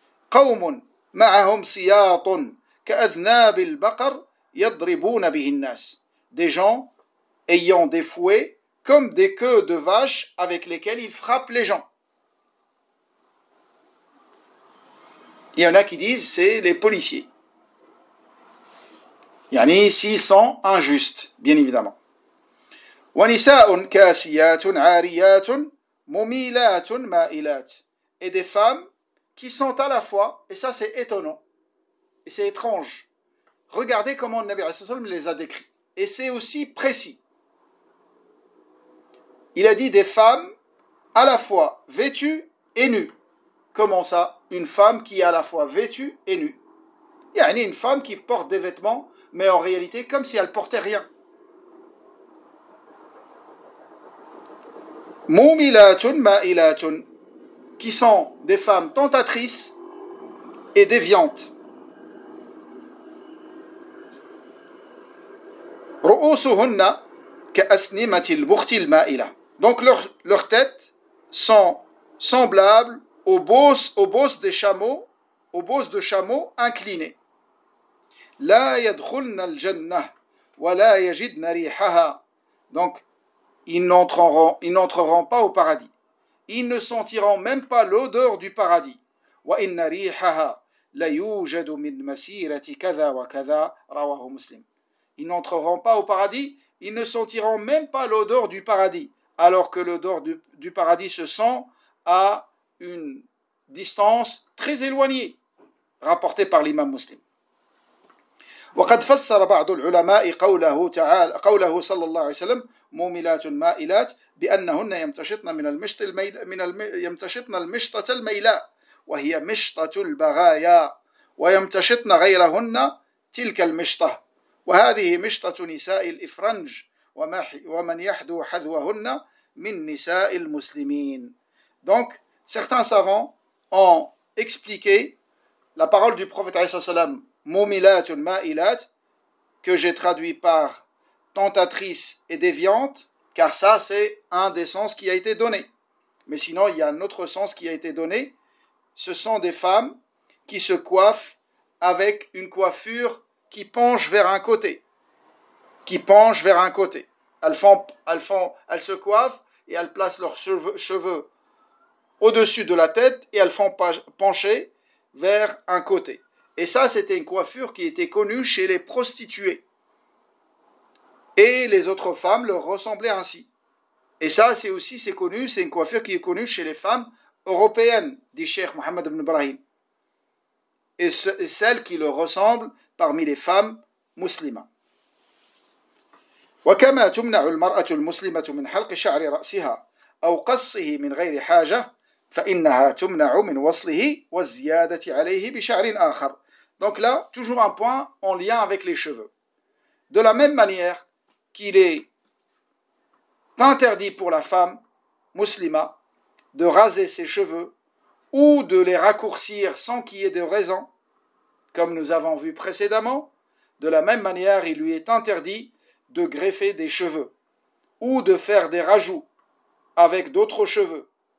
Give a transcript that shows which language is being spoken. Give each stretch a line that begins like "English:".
Arabic: قوم معهم سياط كأذناب البقر يضربون به الناس
French: des gens ayant des fouets comme des queues de vache avec lesquelles ils frappent les gens. Il y en a qui disent c'est les policiers. يعني s'ils sont injustes, bien évidemment.
Arabic: ونساء كاسيات عاريات مميلات مائلات.
French: Et des femmes qui sont à la fois, et ça c'est étonnant, et c'est étrange. Regardez comment le Nabi les a décrits. Et c'est aussi précis. Il a dit des femmes à la fois vêtues et nues. Comment ça? Une femme qui est à la fois vêtue et nue. Il y a une femme qui porte des vêtements, mais en réalité comme si elle portait rien.
Arabic: Mumilatun ma'ilatun,
French: qui sont des femmes tentatrices et déviantes.
Arabic: رؤوسهن كأسنمة البخت المائلة.
French: Donc leurs têtes sont semblables aux bosses des chameaux, aux bosses de chameaux inclinées.
Arabic: لا يدخلن الجنة ولا يجدن ريحها.
French: Donc ils n'entreront pas au paradis. Ils ne sentiront même pas l'odeur du paradis.
Arabic: وإن ريحها لا يوجد من مسيرة كذا وكذا رواه مسلم.
French: Ils n'entreront pas au paradis, ils ne sentiront même pas l'odeur du paradis, alors que l'odeur du paradis se sent à une distance très éloignée, rapportée par l'imam muslim.
Arabic: وقد فسر بعض العلماء قوله صلى الله عليه وسلم مميلات مائلات بأنهن يمتشطن المشطة الميلاء وهي مشطة البغايا ويمتشطن غيرهن تلك المشطة. وهذه مشطة نساء الإفرنج ومن يحدو حذوهن من نساء المسلمين.
French: Donc certains savants ont expliqué la parole du prophète
Arabic: عليه الصلاة والسلام مميلات مائلات,
French: que j'ai traduit par tentatrice et déviante, car ça c'est un des sens qui a été donné. Mais sinon il y a un autre sens qui a été donné, ce sont des femmes qui se coiffent avec une coiffure qui penche vers un côté, qui penche vers un côté. Elles se coiffent et elles placent leurs cheveux au-dessus de la tête et elles font pencher vers un côté. Et ça, c'était une coiffure qui était connue chez les prostituées. Et les autres femmes leur ressemblaient ainsi. Et ça, c'est une coiffure qui est connue chez les femmes européennes, dit Cheikh Mohammed ibn Ibrahim. Et celles qui leur ressemblent parmi les femmes musulmanes.
Arabic: وكما تمنع المرأة المسلمة من حلق شعر رأسها أو قصه من غير حاجة فإنها تمنع من وصله والزيادة عليه بشعر آخر.
French: Donc là, toujours un point en lien avec les cheveux. De la même manière qu'il est interdit pour la femme musulmane de raser ses cheveux ou de les raccourcir sans qu'il y ait de raison, comme nous avons vu précédemment, de la même manière, il lui est interdit de greffer des cheveux ou de faire des rajouts avec d'autres cheveux.